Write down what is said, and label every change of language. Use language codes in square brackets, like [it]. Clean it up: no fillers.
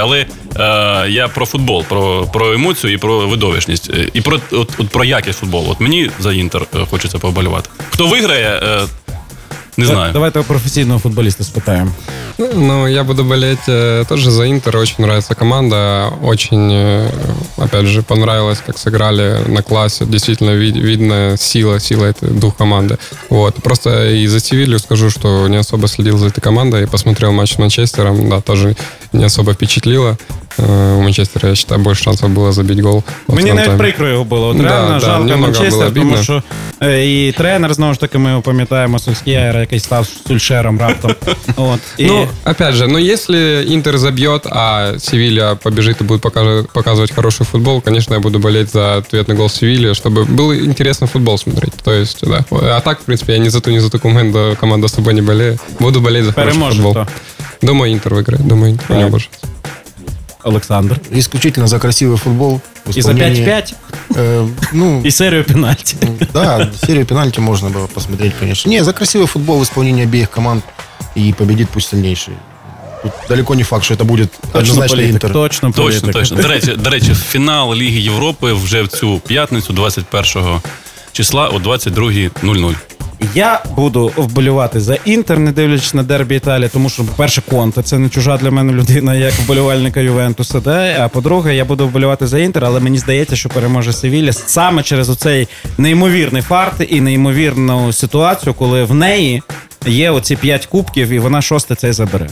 [uk] Але я про футбол, про емоцію і про видовищність. І про якість футболу. От мені за Інтер хочеться повболівати. Хто виграє... Не знаю. [ru] Давайте профессионального футболиста спитаем. Ну, я буду болеть тоже за Интер. Очень нравится команда. Очень, опять же, понравилось, как сыграли на классе. Действительно, видно сила этой двух команды. Вот. Просто и за Севилью скажу, что не особо следил за этой командой. И посмотрел матч с Манчестером. Да, тоже не особо впечатлило. У Манчестера, я считаю, больше шансов было забить гол. [uk] Мені навіть прикро його було. От реально жалко Манчестер, тому що і тренер, знову ж таки, ми його пам'ятаємо, Сульскєєр, який став Сульшером раптом. От. І... [ru] Ну, опять же, ну, если Интер забьет, а Севилья побежит и будет показывать хороший футбол, конечно, я буду болеть за ответный гол Севильи, чтобы был интересно футбол смотреть. То есть, да. А так, в принципе, я ни за ту команду с тобой не болею. Буду болеть за хороший футбол. Думаю, Интер выиграет. Думаю, Интер. У меня больше. Александр. Исключительно за красивый футбол. И за 5-5? Ну, и серию пенальти. Да, серию пенальти можно было посмотреть, конечно. Не, за красивый футбол в исполнении обеих команд и победит пусть сильнейший. Тут далеко не факт, что это будет однозначный Интер. Точно политик. Точно, точно. До речи, финал Лиги Европы уже в цю пятницу 21-го числа о 22:00. [uk] Я буду вболювати за Інтер, не дивлячись на дербі Італії, тому що, по-перше, Конте, це не чужа для мене людина, як вболівальника Ювентуса, да? А по-друге, я буду вболювати за Інтер, але мені здається, що переможе Севілья саме через оцей неймовірний фарт і неймовірну ситуацію, коли в неї є оці 5 кубків і вона 6 цей забере.